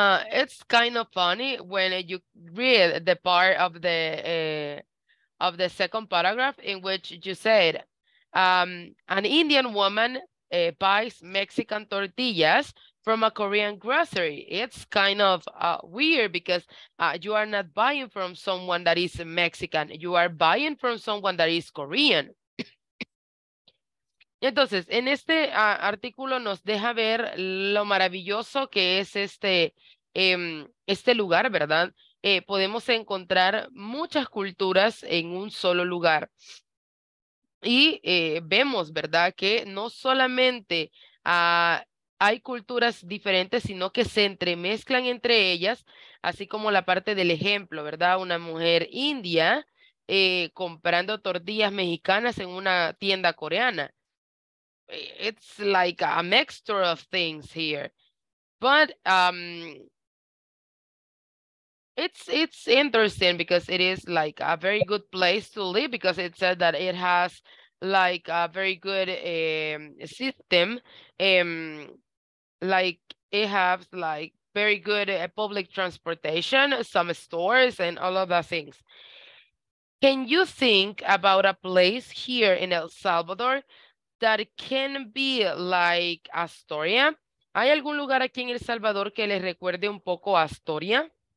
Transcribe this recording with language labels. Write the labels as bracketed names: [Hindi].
[English] It's kind of funny when you read the part of the second paragraph in which you said, an Indian woman buys Mexican tortillas from a Korean grocery. It's kind of weird because you are not buying from someone that is Mexican. You are buying from someone that is Korean. [Spanish] Entonces, en este artículo nos deja ver lo maravilloso que es este, este lugar, ¿verdad? Podemos encontrar muchas culturas en un solo lugar. Y vemos, ¿verdad? Que no solamente hay culturas diferentes, sino que se entremezclan entre ellas, así como la parte del ejemplo, ¿verdad? Una mujer india comprando tortillas mexicanas en una tienda coreana. [English] It's like a mixture of things here, but it's interesting because it is like a very good place to live because it said that it has like a very good system, like it has like very good public transportation, some stores and all of the things. Can you think about a place here in El Salvador that can be like Astoria? [Spanish] ¿Hay algún lugar aquí en El Salvador que les recuerde un poco a Astoria?